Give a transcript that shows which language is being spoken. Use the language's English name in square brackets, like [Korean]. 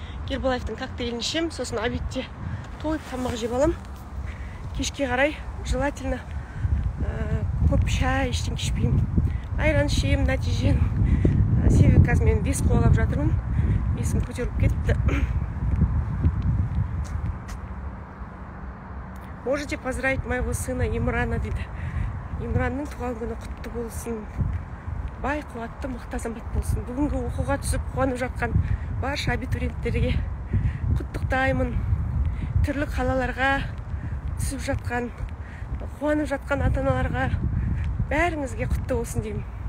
[Kazakh] Гербалайфтың коктейлін ішем, сосын обедте тойып тамақ жеп алам. Кешке қарай желательно көп шай іштен кешпейм. Айран ішем, нәтижен. Себебі қазір мен бес қуалап жатырмын, есім көтеріліп кетті. [Russian] Можете поздравить моего сына Имрана, [Kazakh] дейді. Имранның туған күні құтты болсын. Бай қуатты, мықты азамат болсын. Бүгінгі оқуға түсіп қуанып жатқан барша абитуриенттерге құттықтаймын. Түрлі қалаларға түсіп жатқан, қуанып жатқан ата-аналарға бәріңізге құтты болсын деймін.